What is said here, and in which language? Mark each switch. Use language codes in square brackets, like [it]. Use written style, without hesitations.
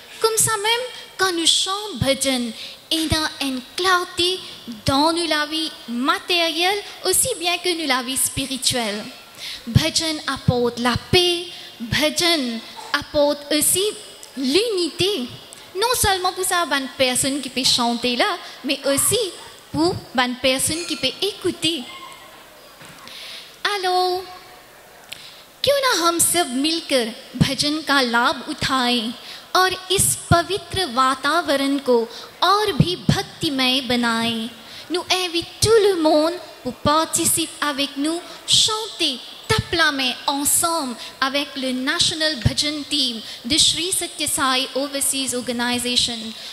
[fr] Comme ça même, quand nous chantons bhajan, et dans une clarté dans la vie matérielle, aussi bien que dans la vie spirituelle. Bhajan apporte la paix, bhajan apporte aussi l'unité. Non seulement pour ça, une personne qui peut chanter là, mais aussi pour une personne qui peut écouter. Alors, [hi] क्यों ना हम सब मिलकर भजन का लाभ उठाएं और इस पवित्र वातावरण को और भी भक्तिमय बनाएं. [fr] Nous invitons tout le monde pour participer avec nous, chanter tapla mein ensemble avec le National Bhajan Team de Shri Satya Sai Overseas Organization.